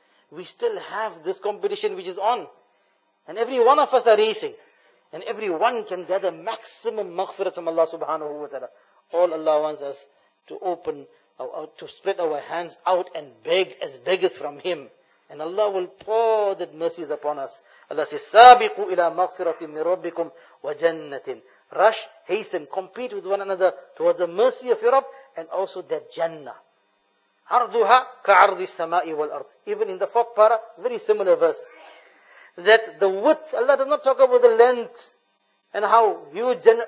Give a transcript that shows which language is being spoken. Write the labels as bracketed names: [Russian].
[English] We still have this competition which is on. And every one of us are racing. And everyone can gather maximum maghfirah from Allah subhanahu wa ta'ala. All Allah wants us to open, to spread our hands out and beg as beggars from Him. And Allah will pour that mercies upon us. Allah says, [Arabic] سَابِقُوا إِلَىٰ مَغْفِرَةٍ مِّن رَبِّكُمْ وَجَنَّةٍ. [English] Rush, hasten, compete with one another towards the mercy of your Rabb and also that Jannah. [Arabic] عَرْضُهَا كَعَرْضِ السَّمَاءِ وَالْأَرْضِ. [English] Even in the fourth para, very similar verse. That the width, Allah does not talk about the length and how huge Jannah.